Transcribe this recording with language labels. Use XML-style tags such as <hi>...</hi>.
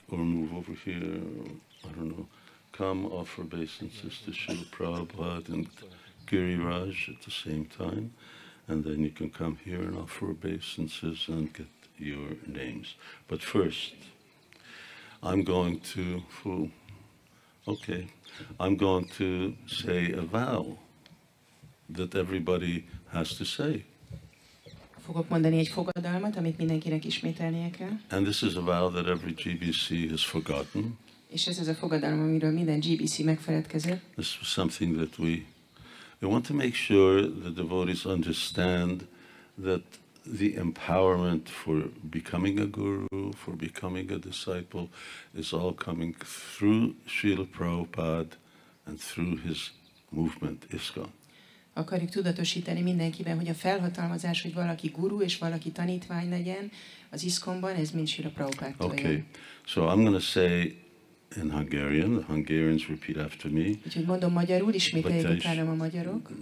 <en>Or move over here, or, I don't know. Come, offer obeisances to Śrīla Prabhupāda and Giriraj at the same time, and then you can come here and offer obeisances and get your names. But first, I'm going to say a vow that everybody has to say.</en> <hu>Fogok mondani egy fogadalmat, amit mindenkinek ismételnie kell.</hu> <en>And this is a vow that every GBC has forgotten.</en> <hu>És ez az a fogadalom, amiről minden GBC megfeledkezett.</hu> <en>This is something that we want to make sure the devotees understand that the empowerment for becoming a guru, for becoming a disciple, is all coming through Śrīla Prabhupāda and through his movement, ISKCON.</en> <hu>Akarjuk tudatosítani mindenkiben, hogy a felhatalmazás, hogy valaki guru és valaki tanítvány legyen, az ISKCON-ban, ez mind Śrīla Prabhupāda.</hu> <en>Okay, so I'm going to say in Hungarian, the Hungarians repeat after me.</en> <hu>Úgyhogy mondom magyarul, ismételjük utána a magyarok.</hu>